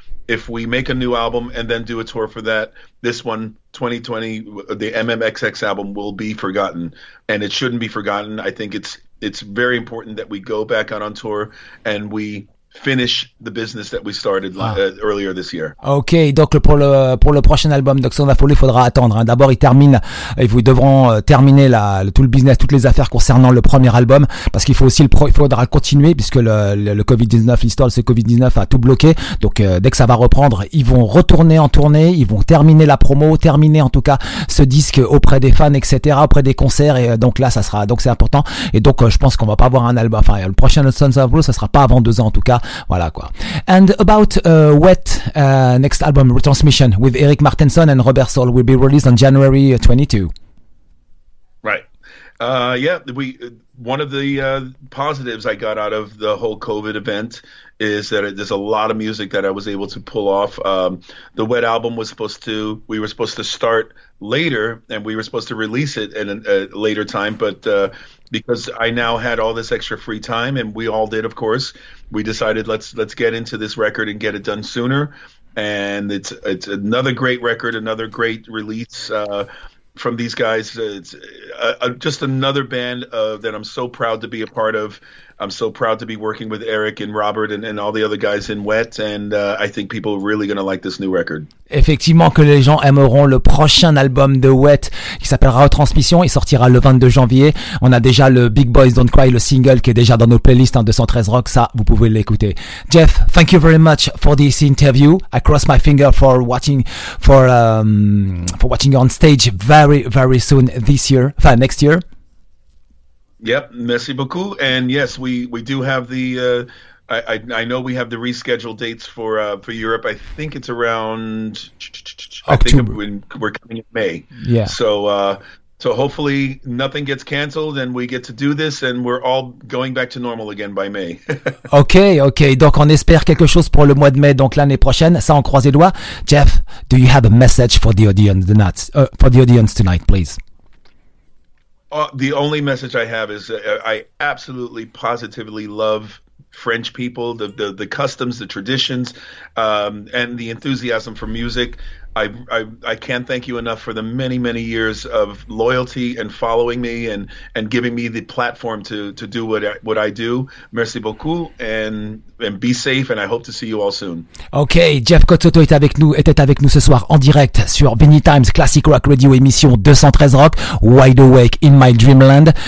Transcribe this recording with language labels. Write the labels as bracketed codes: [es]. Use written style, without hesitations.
[en] If we make a new album and then do a tour for that, this one, 2020, the MMXX album will be forgotten, and it shouldn't be forgotten. I think it's very important that we go back out on tour and we finish the business that we started earlier this year. [fr] Ok, donc pour le prochain album, donc Sons of Apollo, il faudra attendre. Hein. D'abord, ils devront terminer tout le business, toutes les affaires concernant le premier album, parce qu'il faut aussi il faudra continuer puisque le Covid-19, l'histoire de ce Covid-19 a tout bloqué. Donc dès que ça va reprendre, ils vont retourner en tournée, ils vont terminer la promo, terminer en tout cas ce disque auprès des fans, etc., auprès des concerts. Et donc là, ça sera, donc c'est important. Et donc je pense qu'on va pas avoir un album. Enfin, le prochain Sons of Apollo, ça sera pas avant 2 ans. En tout voilà quoi. [en] And about Wet next album Retransmission with Eric Martinson and Robert Sol will be released on January 22. Right. One of the positives I got out of the whole COVID event is that there's a lot of music that I was able to pull off. The Wet album was supposed to, we were supposed to start later and we were supposed to release it at a later time, but because I now had all this extra free time, and we all did, of course, we decided let's get into this record and get it done sooner. And it's another great record, another great release from these guys. It's just another band that I'm so proud to be a part of. I'm so proud to be working with Eric and Robert and all the other guys in Wet, and I think people are really going to like this new record. [fr] Effectivement, que les gens aimeront le prochain album de Wet qui s'appellera Retransmission. Il sortira le 22 janvier. On a déjà le Big Boys Don't Cry, le single qui est déjà dans nos playlists, hein, 213 Rock. Ça, vous pouvez l'écouter. [en] Jeff, thank you very much for this interview. I cross my finger for watching you on stage very, very soon this year, enfin next year. [fr] Yep, merci beaucoup. [en] And yes, we do have the I know we have the rescheduled dates for Europe. I think it's around October. I think we're coming in May. Yeah. So hopefully nothing gets canceled and we get to do this and we're all going back to normal again by May. Ok. [fr] Donc on espère quelque chose pour le mois de mai, donc l'année prochaine. Ça, on croise les doigts. [en] Jeff, do you have a message for the audience tonight? For the audience tonight, please. The only message I have is I absolutely, positively love French people, the customs, the traditions, and the enthusiasm for music. I can't thank you enough for the many, many years of loyalty and following me and giving me the platform to do what I do. [fr] Merci beaucoup [en] and be safe, and I hope to see you all soon. [fr] Ok, Jeff Cozzotto était avec nous ce soir en direct sur Vinnie Times Classic Rock Radio, émission 213 Rock, Wide Awake in My Dreamland.